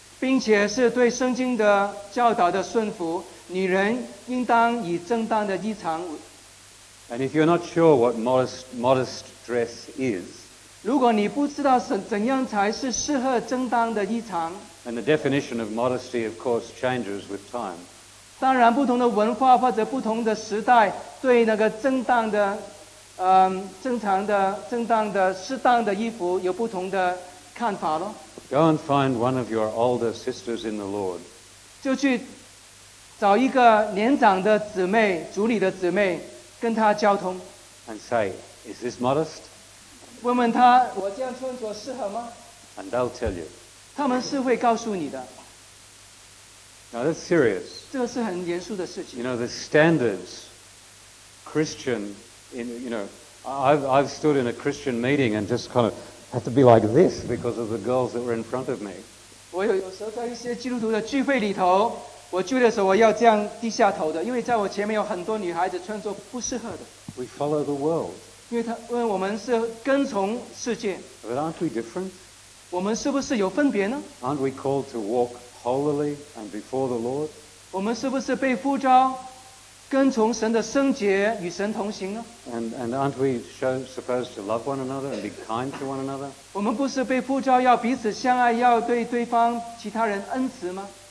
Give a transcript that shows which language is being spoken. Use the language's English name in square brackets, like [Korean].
[Chinese] 并且是对圣经的教导的顺服，女人应当以正当的衣裳。 [English] And if you're not sure what modest dress is, [Chinese] 如果你不知道怎样才是适合正当的衣裳 [English] ，And the definition of modesty, of course, changes with time. [Chinese] 当然，不同的文化或者不同的时代，对那个正当的、正常的、正当的、适当的衣服有不同的看法咯。 [English] Go and find one of your older sisters in the Lord. [Chinese] 就去找一个年长的姊妹、主里的姊妹，跟她交通。 [English] And say, "Is this modest?" [Chinese] 问问她，我这样穿着适合吗 [English] ？And they'll tell you. [Chinese] 他们是会告诉你的。 [English] Now that's serious. [Chinese] 这个是很严肃的事情。 [English] You know, the standards, Christian, you know, I've stood in a Christian meeting and just kind of have to be like this because of the girls that were in front of me. [Chinese] 我有时候在一些基督徒的聚会里头，我聚的时候我要这样低下头的， 因为在我前面有很多女孩子穿着不适合的。 [English] We follow the world. [Chinese] 因为我们是跟从世界。 [English] But aren't we different? [Chinese] 我们是不是有分别呢？ [English] Aren't we called to walk holily and before the Lord? [Chinese] 我们是不是被呼召跟从神的圣洁与神同行呢？ [English] And aren't we supposed to love one another and be kind to one another? [Chinese] 我们不是被呼召要彼此相爱，要对对方其他人恩慈吗？